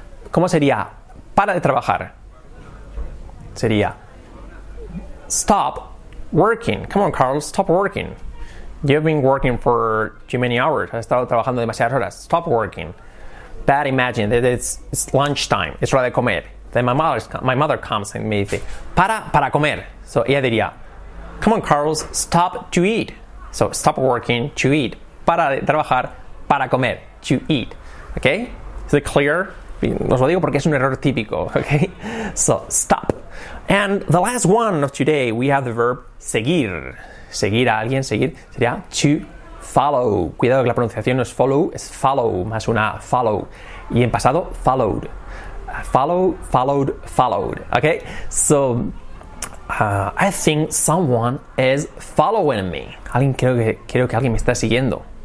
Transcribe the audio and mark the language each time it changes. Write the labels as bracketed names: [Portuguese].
[Spanish] ¿Cómo sería para de trabajar? [English] Sería stop working. Come on, Carlos, stop working. You've been working for too many hours. [Spanish] Has estado trabajando demasiadas horas. [English] Stop working. But imagine that it's lunchtime. [Spanish] Es hora de comer. [English] Then my mother comes and [Spanish] me dice, para comer. [English] So [Spanish] ella diría, [English] come on, Carlos, stop to eat. So stop working to eat. [Spanish] Para de trabajar, para comer, [English] to eat. Okay? Is it clear? [Spanish] Os lo digo porque es un error típico. Okay? So stop. [English] And the last one of today, we have the verb seguir. [Spanish] Seguir a alguien, seguir, sería to follow. Cuidado que la pronunciación no es follow, es follow, más una follow. Y en pasado, followed. [English] Follow, followed, followed. Okay? So, I think someone is following me. [Spanish] Alguien creo que alguien me está siguiendo.